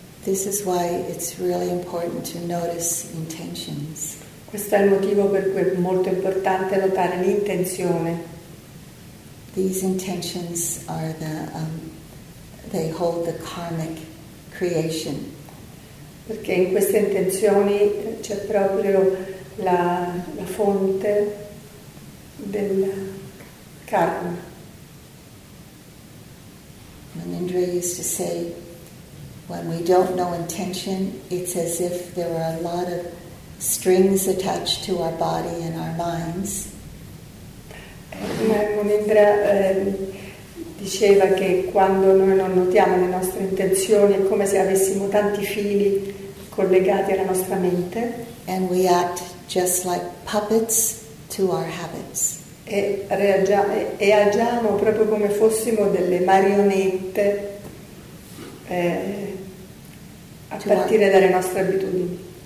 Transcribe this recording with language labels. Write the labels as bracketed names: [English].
[English] This is why it's really important to notice intentions. [Italian] Questo è il motivo per cui è molto importante notare l'intenzione. [English] These intentions are the they hold the karmic creation. [Italian] Perché in queste intenzioni c'è proprio la fonte del karma. [English] Manindra used to say, when we don't know intention, it's as if there are a lot of strings attached to our body and our minds. [Italian] Monindra diceva che quando noi non notiamo le nostre intenzioni è come se avessimo tanti fili collegati alla nostra mente. [English] And we act just like puppets to our habits. [Italian] E agiamo proprio come fossimo delle marionette a partire dalle nostre abitudini.